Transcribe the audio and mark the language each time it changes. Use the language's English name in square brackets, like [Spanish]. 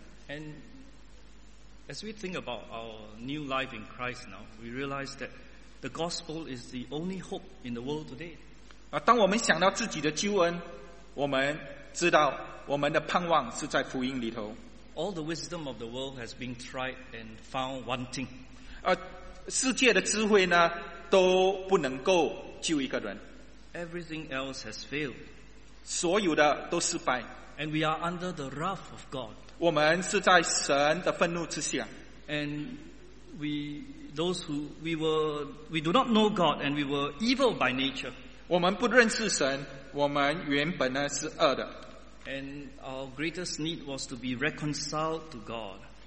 [English] And as we think about our new life in Christ now, we realize that the gospel is the only hope in the world today. [Chinese] 当我们想到自己的救恩，我们知道我们的盼望是在福音里头。 [English] All the wisdom of the world has been tried and found wanting. [Chinese] 世界的智慧呢，都不能够救一个人。 [English] Everything else has failed. [Chinese] 所有的都失败。 [English] And we are under the wrath of God. [Chinese] 我们是在神的愤怒之下。 [English] And we do not know God, and we were evil by nature. [Chinese] 我们不认识神，我们原本呢是恶的。 [English] And our greatest need was to be reconciled to God.